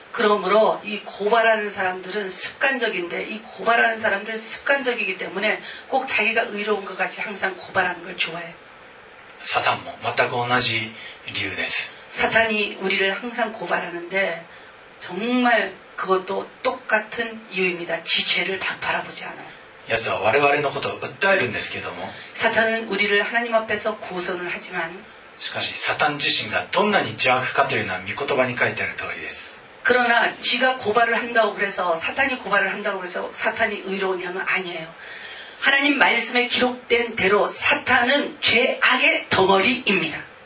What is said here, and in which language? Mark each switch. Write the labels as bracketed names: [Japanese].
[Korean] 그러므로이고발하는사람들은습관적인데이고발하는사람들은습관적이기때문에꼭자기가의로운것같이항상고발하는걸좋아해요 [Japanese] 사탄も全く同じ理由です [Korean] 사탄이우리를항상고발하는데정말그것도똑같은이유입니다지체를다바라보지않아요 [Japanese] やつは我々のことを訴えるんですけども [Korean] 사탄은우리를하나님앞에서고소를하지만 [Japanese] しかし사탄自身がどんなに邪悪かというのは御言葉に書いてある通りです [Korean] 그러나지가고발을한다고그래서사탄이고발을한다고해서사탄이의로우냐면아니에요하나님말씀에기록된대로사탄은죄악의덩어리입니다